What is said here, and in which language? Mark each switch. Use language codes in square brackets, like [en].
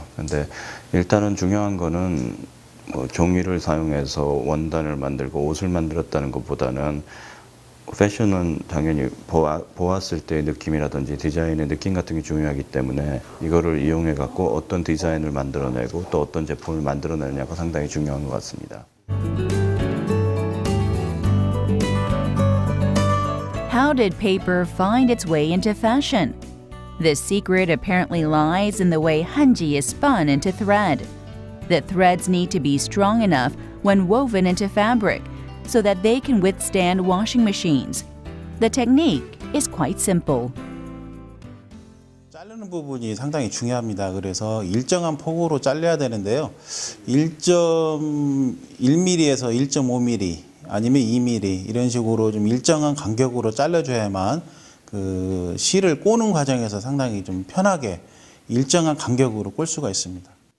[ko] 근데 일단은 중요한 거는 뭐 종이를 사용해서 원단을 만들고 옷을 만들었다는 것보다는 패션은 당연히 보았을 때의 느낌이라든지 디자인의 느낌 같은 게 중요하기 때문에 이거를 이용해 갖고 어떤 디자인을 만들어내고 또 어떤 제품을 만들어내느냐가 상당히 중요한 것 같습니다. [en] How did paper find its way into fashion? The secret apparently lies in the way Hanji is spun into thread. The threads need to be strong enough when woven into fabric so that they can withstand washing machines. The technique is quite simple. [ko] 자르는 부분이 상당히 중요합니다. 그래서 일정한 폭으로 잘려야 되는데요. 1.1mm에서 1.5mm 아니면 2mm 이런 식으로 좀 일정한 간격으로 잘려줘야만 그 실을 꼬는 과정에서 상당히 좀 편하게 일정한 간격으로 꼴 수가 있습니다.